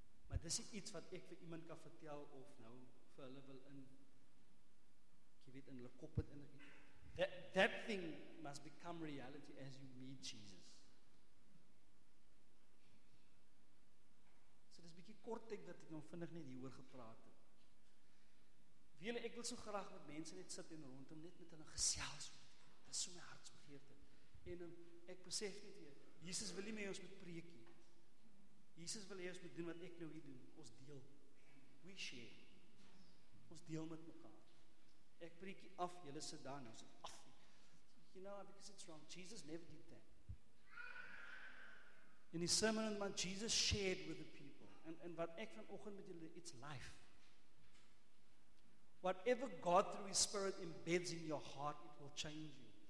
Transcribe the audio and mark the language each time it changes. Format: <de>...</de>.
<af>Maar dis nie iets wat ek vir iemand kan vertel of nou vir hulle wil in, jy weet, in hulle kop het in.</af> <en>That thing must become reality as you meet Jesus.</en> <af>So dis bietjie kort ek dat ek nou vinnig net hieroor gepraat het. Weet jy, ek wil so graag met mense net sit en rondom net met hulle gesels. Dis so my hartsbegeerte. En ek besef net weer, Jesus wil nie meer ons moet preek nie. Jesus wil hê ons moet doen wat ek nou hier doen. Ons deel.</af> <en>We share.</en> <af>Ons deel met mekaar. Ek preek hier af, julle sit daar nou so af.</af> <en>You know, because it's wrong. Jesus never did that.</en> <af>In die</af> <en>sermon, man, Jesus shared with the people. And</en> <af>wat ek vanoggend met julle,</af> <en>it's life. Whatever God through his spirit embeds in your heart, it will change you.</en>